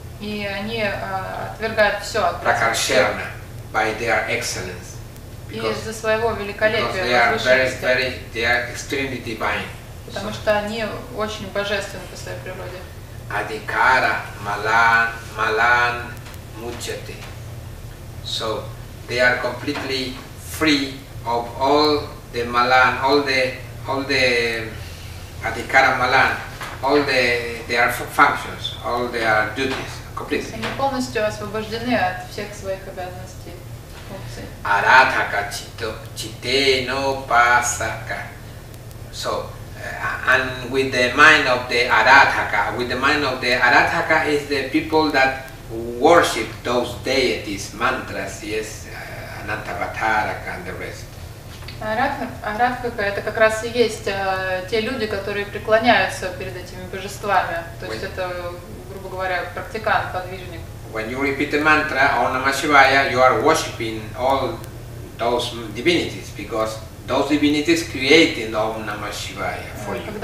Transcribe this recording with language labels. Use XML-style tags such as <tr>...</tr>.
<ru>И они отвергают все.</ru> <en>Prakarsherna, by their excellence. Because,</en> <ru>и из-за своего великолепия возвышенности. Потому что они очень божественны по своей природе.</ru> <sa>Adhikara malan mucchate.</sa> <en>So they are completely free of all the malan, all the adhikara malan, all the their functions, all their duties, completely.</en> <ru>Они полностью освобождены от всех своих обязанностей.</ru> <sa>Arataka chiteno pasaka.</sa> <en>So, and with the mind of the Arataka, is the people that worship those deities, mantras, yes, Anantavataraka and the rest.</en> <ru>Arataka это как раз и есть те люди, которые преклоняются перед этими божествами. То есть это, грубо говоря, практикант, подвижник.</ru> <en>When you repeat the mantra Om Namah Shivaya, you are worshipping all those divinities because those divinities created Om Namah Shivaya for you.</en>